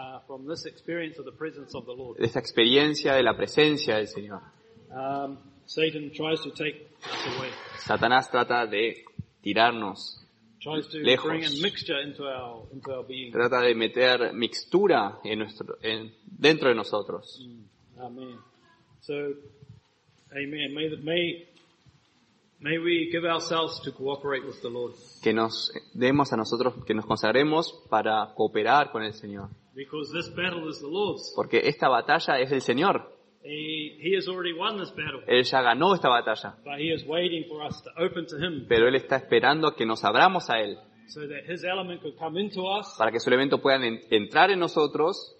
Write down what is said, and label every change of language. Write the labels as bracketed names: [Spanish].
[English] from this experience of the presence of the Lord. [Spanish] De esta experiencia de la presencia del Señor. [English] Satan tries to take us away. [Spanish] Satanás trata de tirarnos lejos. [English] Bring a mixture into our being. [Spanish] Trata de meter mixtura dentro de nosotros. [English] Amen. So, amen. May we give ourselves to cooperate with the Lord. [Spanish] Que nos demos a nosotros, que nos consagremos para cooperar con el Señor. [English] Because this battle is the Lord's. [Spanish] Porque esta batalla es del Señor. [English] He has already won this battle. [Spanish] Él ya ganó esta batalla. [English] But he is waiting for us to open to him. [Spanish] Pero él está esperando que nos abramos a él. [English] So that his element could come into us. [Spanish] Para que su elemento pueda entrar en nosotros.